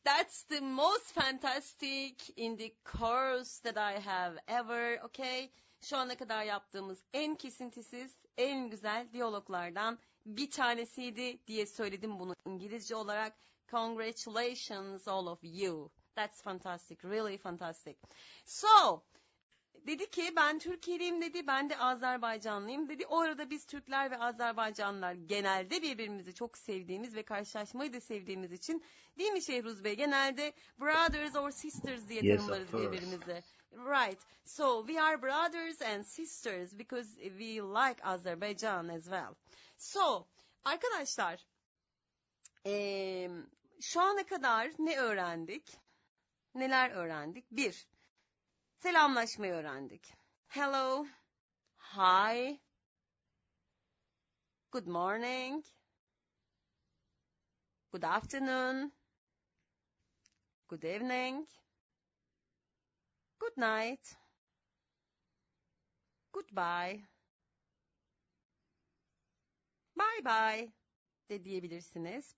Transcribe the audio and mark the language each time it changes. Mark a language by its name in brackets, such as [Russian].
[English] That's the most fantastic in the course that I have ever, okay? [Turkish] Şu ana kadar yaptığımız en kesintisiz, en güzel diyaloglardan bir tanesiydi diye söyledim bunu İngilizce olarak. [English] Congratulations all of you. That's fantastic, really fantastic. [Turkish] So, dedi ki ben Türkiye'liyim dedi, ben de Azerbaycanlıyım dedi. O arada biz Türkler ve Azerbaycanlılar genelde birbirimizi çok sevdiğimiz ve karşılaşmayı da sevdiğimiz için, değil mi Şehruz Bey, genelde brothers or sisters diye tanımlarız birbirimizi. [English] Right, so we are brothers and sisters because we like Azerbaijan as well. [Turkish] So, arkadaşlar, şu ana kadar ne öğrendik, neler öğrendik? Bir, selamlaşmayı öğrendik. [English] Hello, hi, good morning, good afternoon, good evening, good night, goodbye, bye bye [Turkish] de diyebilirsiniz.